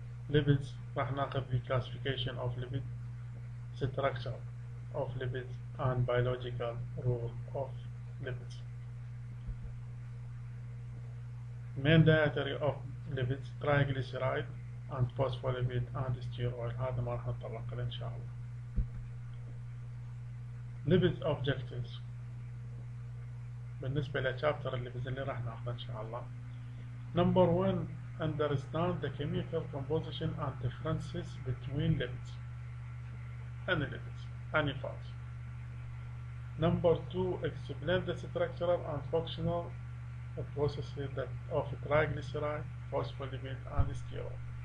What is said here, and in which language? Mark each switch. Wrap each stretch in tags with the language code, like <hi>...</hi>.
<ar>ليبيدز راح ناخذ</ar> <en>the classification of lipids, structure of lipids and biological role of lipids. Main dietary of lipids, triglyceride and phospholipid and steroid.</en> <ar>هذا ما راح نتطرق له إن شاء الله.</ar> <en>Lipids objectives</en> <ar>بالنسبة لشابتر الليبيدز اللي راح ناخذه إن شاء الله.</ar> <en>Number one, understand the chemical composition and differences between lipids. Any lipids, any fats. Number two, explain the structural and functional processes that of triglyceride, phospholipid, and steroid.</en>